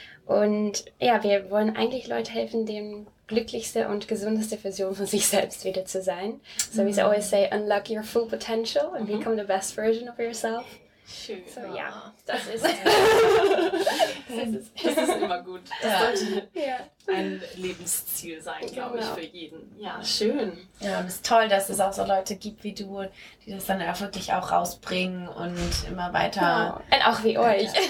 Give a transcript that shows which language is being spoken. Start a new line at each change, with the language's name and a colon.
German: Und ja, wir wollen eigentlich Leute helfen, dem glücklichste und gesundeste Version von sich selbst wieder zu sein. So wie sie
English: always say, unlock your full potential and become the best version of yourself.
German: Schön. So ja, das ist es. Das ist immer gut. Das sollte ein Lebensziel sein, glaube ich, für jeden. Ja, schön. Ja, und es ist toll, dass es auch so Leute gibt wie du, die das dann auch wirklich auch rausbringen und immer weiter. Ja. Und auch wie euch.